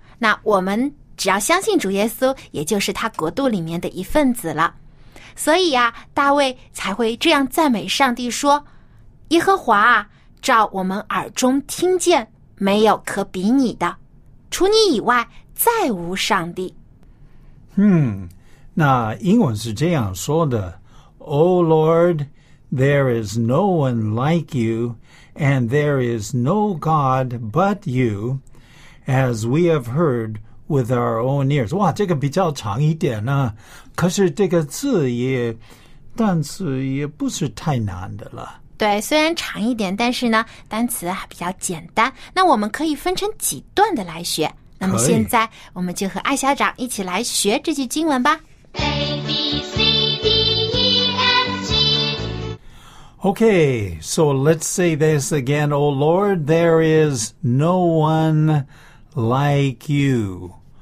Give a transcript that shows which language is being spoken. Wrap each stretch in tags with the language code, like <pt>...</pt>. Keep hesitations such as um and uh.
<zh>那我们只要相信主耶稣，也就是他国度里面的一份子了。所以啊，大卫才会这样赞美上帝说：“耶和华照我们耳中听见，没有可比你的，除你以外再无上帝。 ”嗯。</zh> <en>那英文是这样说的：“O Lord, there is no one like you, and there is no God but you, as we have heard with our own ears。</en> <zh>”哇，这个比较长一点呢、啊，可是这个字也，但是也不是太难的了。对，虽然长一点，但是呢，单词还比较简单。那我们可以分成几段的来学。那么现在，我们就和艾校长一起来学这句经文吧。 a, B, C, D, e,</zh> <en>M, okay, so let's say this again. Oh Lord, there is no one like you.</en>